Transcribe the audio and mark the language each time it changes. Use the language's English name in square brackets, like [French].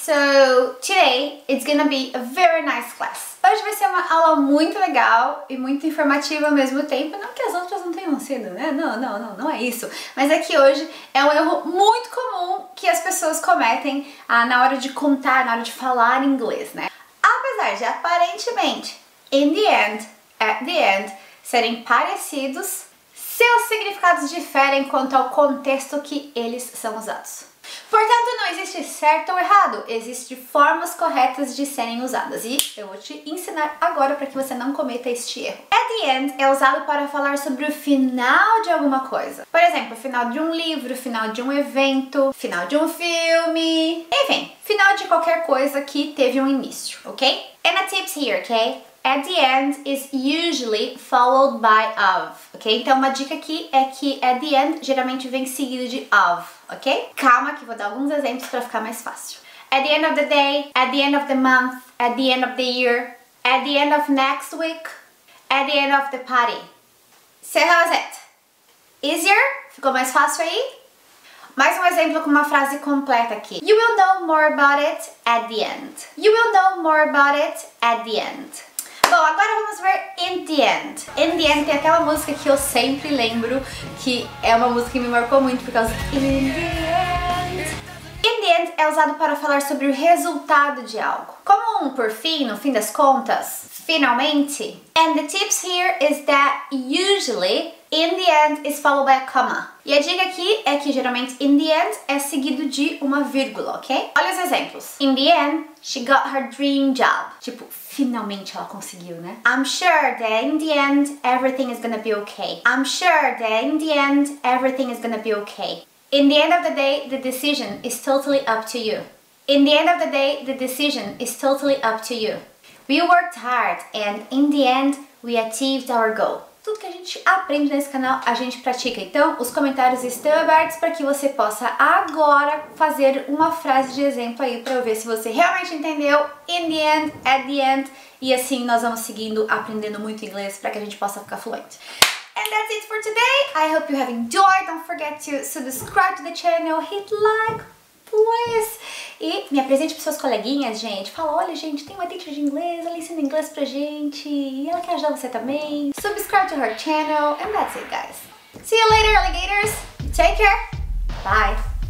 [English] So, today it's gonna be a very nice class. [Portuguese] Hoje vai ser uma aula muito legal e muito informativa ao mesmo tempo. Não que as outras não tenham sido, né? Não é isso. Mas é que hoje é um erro muito comum que as pessoas cometem na hora de contar, na hora de falar inglês, né? Apesar de, aparentemente, in the end, at the end, serem parecidos, seus significados diferem quanto ao contexto que eles são usados. Portanto, não existe certo ou errado, existem formas corretas de serem usadas. E eu vou te ensinar agora para que você não cometa este erro. At the end é usado para falar sobre o final de alguma coisa. Por exemplo, final de um livro, final de um evento, final de um filme. Enfim, final de qualquer coisa que teve um início, ok? [English] And a tips here, ok? At the end is usually followed by of, ok? [Portuguese] Então uma dica aqui é que at the end geralmente vem seguido de of, ok? Calma que vou dar alguns exemplos para ficar mais fácil. [English] At the end of the day, at the end of the month, at the end of the year, at the end of next week, at the end of the party. So how is it? Easier? [Portuguese] Ficou mais fácil aí? Mais um exemplo com uma frase completa aqui. [English] You will know more about it at the end. You will know more about it at the end. [Portuguese] Bom, agora vamos ver In The End. In The End tem aquela música que eu sempre lembro, que é uma música que me marcou muito por causa do In The End. In The End é usado para falar sobre o resultado de algo. Como um por fim, no fim das contas, finalmente. [English] And the tips here is that usually In The End is followed by a comma. [Portuguese] E a dica aqui é que geralmente In The End é seguido de uma vírgula, ok? Olha os exemplos. [English] In the end, she got her dream job. [Portuguese] Tipo, finalmente ela conseguiu, né? [English] I'm sure that in the end, everything is gonna be okay. I'm sure that in the end, everything is gonna be okay. In the end of the day, the decision is totally up to you. In the end of the day, the decision is totally up to you. We worked hard and in the end, we achieved our goal. [Portuguese] Tudo que a gente aprende nesse canal, a gente pratica. Então, os comentários estão abertos para que você possa agora fazer uma frase de exemplo aí para eu ver se você realmente entendeu. In the end, at the end. E assim, nós vamos seguindo aprendendo muito inglês para que a gente possa ficar fluente. [English] And that's it for today. I hope you have enjoyed. Don't forget to subscribe to the channel. Hit like, please. [Portuguese] E me apresente para suas coleguinhas, gente. Fala, olha, gente, tem uma teacher de inglês, ela ensina inglês pra gente. E ela quer ajudar você também. [English] Subscribe to her channel. And that's it, guys. See you later, alligators. Take care. Bye.